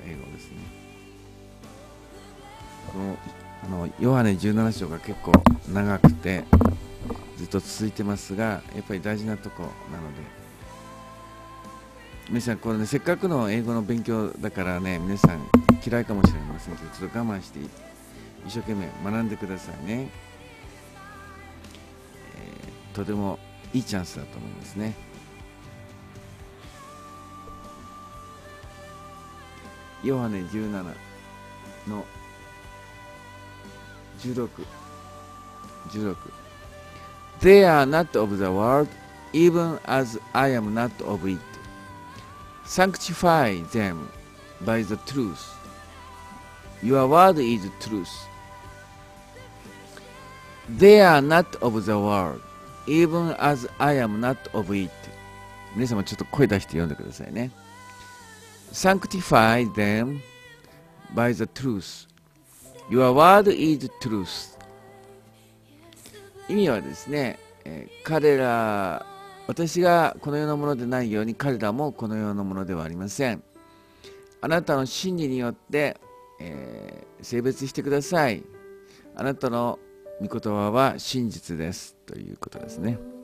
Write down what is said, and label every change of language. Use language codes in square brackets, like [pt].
[ja] 英語ですね、このヨハネ17章が結構長くてずっと続いてますが、やっぱり大事なとこなので、皆さんこれね、せっかくの英語の勉強だからね、皆さん嫌いかもしれませんけど、ちょっと我慢して一生懸命学んでくださいね。とてもいいチャンスだと思いますね。ヨハネ17の16 [en] They are not of the world, even as I am not of it. Sanctify them by the truth. Your word is truth. They are not of the world, even as I am not of it. [ja] 皆様ちょっと声出して読んでくださいね。 [en] Sanctify them by the truth. Your word is truth. [ja] 意味はですね、彼ら、私がこの世のものでないように彼らもこの世のものではありません。あなたの真理によって、性別してください。あなたの御言葉は真実です。ということですね。